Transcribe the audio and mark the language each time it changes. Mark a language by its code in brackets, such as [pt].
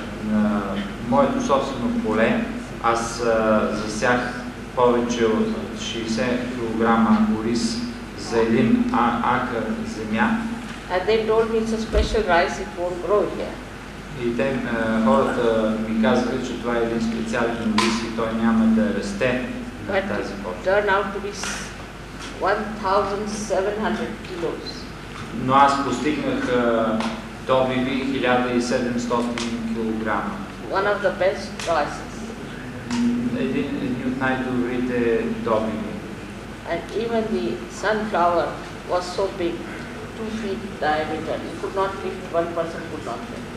[bg] На моето собствено поле аз засях повече от 60 кг рис за един акър земя. [en] And they told me it's a special rice, it won't grow here. [bg] И те, хората ми казаха, че това е един специален рис и той няма да расте на тази почва. [en] But it turned out to be 1700 kilos. [bg] Но аз постигнах добиви 1700 кг. [en] One of the best rices. [bg] Един от най-добрите добиви. [en] And even the sunflower was so big, 2 feet diameter. It could not lift, one person could not lift.